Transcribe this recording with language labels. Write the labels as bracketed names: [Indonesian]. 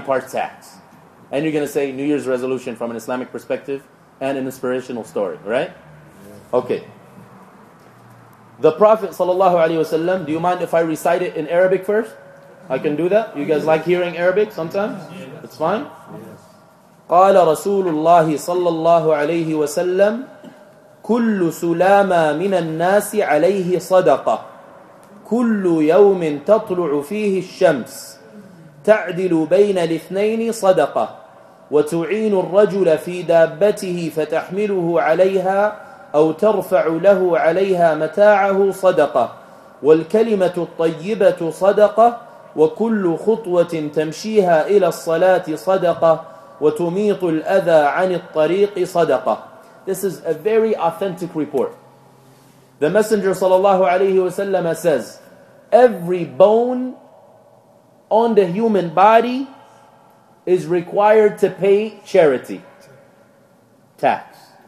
[English] parts tax. And you're going to say New Year's resolution from an Islamic perspective and an inspirational story, right? Okay. The Prophet sallallahu alaihi wasallam, do you mind if I recite it in Arabic first? I can do that. You guys like hearing Arabic sometimes? It's fine. [Arabic] قال رسول الله صلى الله عليه وسلم كل سلامة من الناس عليه صدقة كل يوم تطلع فيه الشمس تعدل بين الاثنين صدقة وتعين الرجل في دابته فتحمله عليها أو ترفع له عليها متاعه صدقة والكلمة الطيبة صدقة وكل خطوة تمشيها إلى الصلاة صدقة وتميط الأذى عن الطريق صدقة. [English] This is a very authentic report. The Messenger sallallahu alayhi wa sallam says, every bone on the human body is required to pay charity, tax.